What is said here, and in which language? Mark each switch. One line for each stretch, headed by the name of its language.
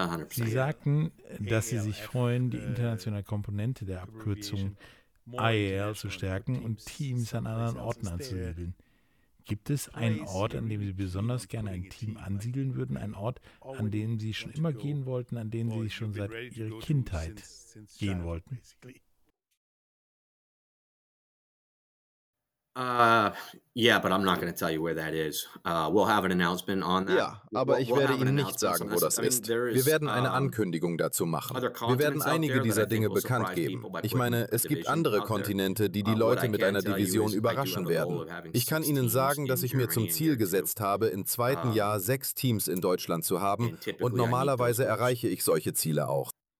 German: Sie sagten, dass Sie sich freuen, die internationale Komponente der Abkürzung IAL zu stärken und Teams an anderen Orten anzusiedeln. Gibt es einen Ort, an dem Sie besonders gerne ein Team ansiedeln würden? Ein Ort, an dem Sie schon immer gehen wollten, an den Sie schon seit Ihrer Kindheit gehen wollten?
English: But I'm not going to tell you where that is. We'll have an announcement on that.
German: Ja, aber ich werde Ihnen nicht sagen, wo das ist. Wir werden eine Ankündigung dazu machen. Wir werden einige dieser Dinge bekannt geben. Ich meine, es gibt andere Kontinente, die die Leute mit einer Division überraschen werden. Ich kann Ihnen sagen, dass ich mir zum Ziel gesetzt habe, im zweiten Jahr 6 Teams in Deutschland zu haben, und normalerweise erreiche ich solche Ziele auch.